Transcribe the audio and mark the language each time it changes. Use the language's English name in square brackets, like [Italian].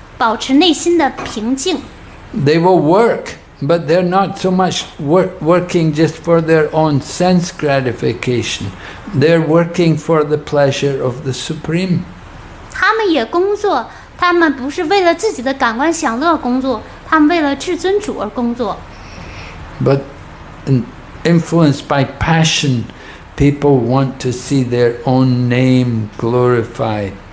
[Chinese] 在善良属性的人，他们更加平和，保持内心的平静。 [English] They will work, but they're not so much working just for their own sense gratification. They're working for the pleasure of the Supreme. [Chinese] 他们也工作，他们不是为了自己的感官享乐工作，他们为了至尊主而工作。 [English] But influenced by passion, people want to see their own name glorified.